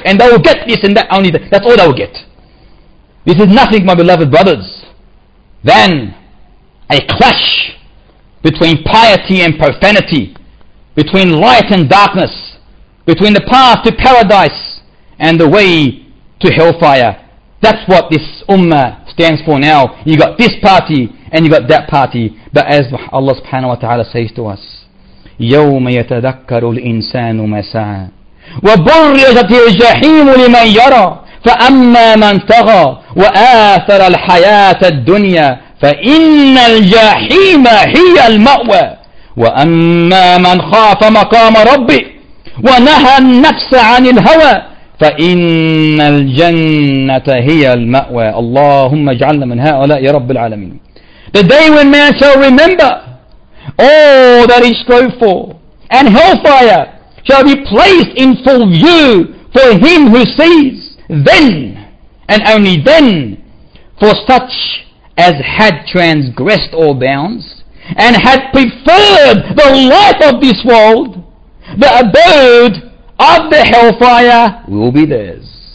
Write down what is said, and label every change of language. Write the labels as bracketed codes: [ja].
[en] And they will get this and that only. That's all they will get. This is nothing, my beloved brothers, than a clash between piety and profanity, between light and darkness, between the path to paradise and the way to hellfire. That's what this ummah stands for now. You got this party and you got that party. But as Allah subhanahu wa ta'ala says to us, [ar] يَوْمَ يَتَذَكَّرُ الْإِنسَانُ مَسَاءً وَبُرِّجَتِ الْجَحِيمُ لِمَنْ يَرَى فَأَمَّا مَنْ تَغَى وَآثَرَ الْحَيَاةَ الدُّنْيَا فَإِنَّ الْجَحِيمَ هِيَ الْمَأْوَى وَأَمَّا مَنْ خَافَ مَقَامَ رَبِّهِ وَنَهَى النَّفْسَ عَنِ الْهَوَى فَإِنَّ الْجَنَّةَ هِيَ الْمَأْوَى. اللَّهُمَّ اجْعَلْنَا مِنْ هَؤُلَاءِ رَبِّ الْعَالَمِينَ. [en] The day when man shall remember all that he strove for, and hellfire shall be placed in full view for him who sees, then and only then, for such as had transgressed all bounds and had preferred the life of this world, the abode of the hellfire will be theirs.